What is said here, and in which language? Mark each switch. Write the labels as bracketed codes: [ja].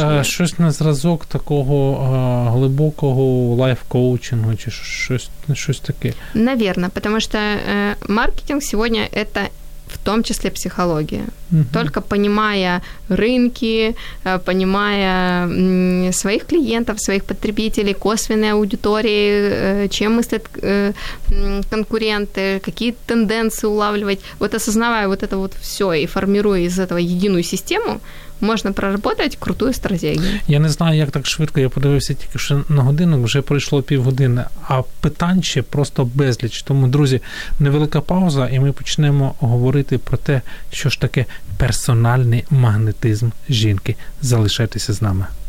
[uk] Ну, це щось на зразок такого глибокого лайф-коучингу, чи щось таке. [ru] Наверное, потому что маркетинг сегодня – это в том числе психология. Угу. Только понимая рынки, понимая своих клиентов, своих потребителей, косвенные аудитории, чем мыслят конкуренты, какие тенденции улавливать. Вот осознавая вот это вот все и формируя из этого единую систему, [uk] можна проработати круту стратегію. Я не знаю, як так швидко. Я подивився тільки що на годинок, вже пройшло півгодини, а питань ще просто безліч. Тому, друзі, невелика пауза, і ми почнемо говорити про те, що ж таке персональний магнетизм жінки. Залишайтеся з нами.